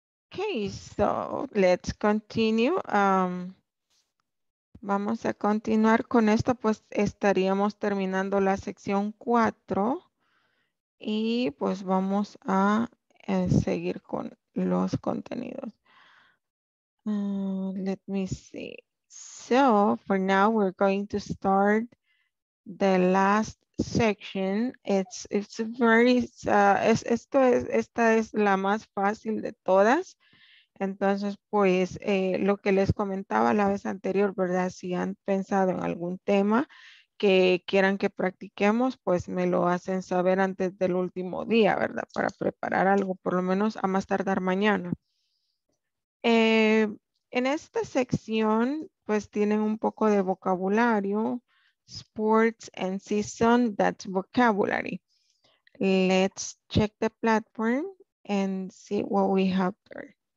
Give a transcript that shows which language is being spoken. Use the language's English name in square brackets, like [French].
[English] Okay, so let's continue. [Spanish] Vamos a continuar con esto, pues estaríamos terminando la sección 4 y pues vamos a seguir con los contenidos. [English] Let me see. So for now we're going to start the last section. [Spanish] Esta es la más fácil de todas. Entonces, pues, lo que les comentaba la vez anterior, ¿verdad? Si han pensado en algún tema que quieran que practiquemos, pues me lo hacen saber antes del último día, ¿verdad? Para preparar algo, por lo menos a más tardar mañana. En esta sección, pues, tienen un poco de vocabulario. [English] Sports and season, that's vocabulary. Let's check the platform and see what we have there.